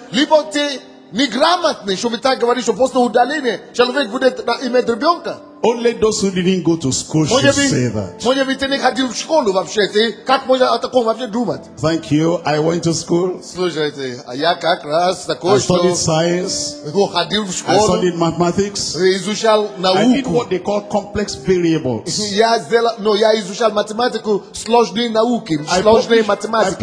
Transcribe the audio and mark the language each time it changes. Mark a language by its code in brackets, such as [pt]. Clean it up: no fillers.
[en] Either you are [ru] неграмотный, чтобы так говорить, что после удаления человек будет иметь ребенка. [en] Only those who didn't go to school should say that. [ru] Может быть, ты не ходил в школу вообще, ты как можешь о таком вообще думать? [en] Thank you, I went to school. [ru] Слушайте, а я как раз такой, [en] что... I studied science. [ru] Я ходил в школу. [en] I studied mathematics. [ru] Изучал науку. [en] I did what they call complex variables. [ru] Я изучал математику, сложные науки, сложные математики.